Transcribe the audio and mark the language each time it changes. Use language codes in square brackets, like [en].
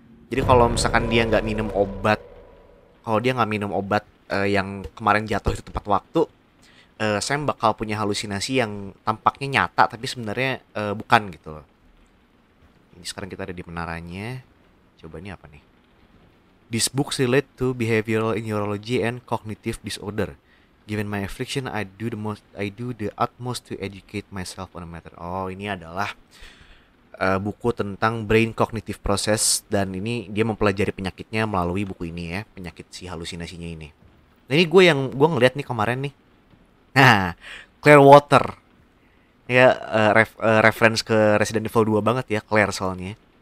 [id] Jadi kalau misalkan dia nggak minum obat, kalau dia nggak minum obat yang kemarin jatuh itu tepat waktu, Sam bakal punya halusinasi yang tampaknya nyata tapi sebenarnya bukan gitu. Ini sekarang kita ada di menaranya. Coba ini apa nih? [en] This book relate to behavioral neurology and cognitive disorder. Given my affliction, I do the utmost to educate myself on the matter. [id] Oh, ini adalah buku tentang brain cognitive process, dan ini dia mempelajari penyakitnya melalui buku ini ya, penyakit si halusinasinya ini. Nah, ini gue ngeliat nih kemarin nih. Nah, Claire Water. Ya reference ke Resident Evil 2 banget ya, Claire soalnya.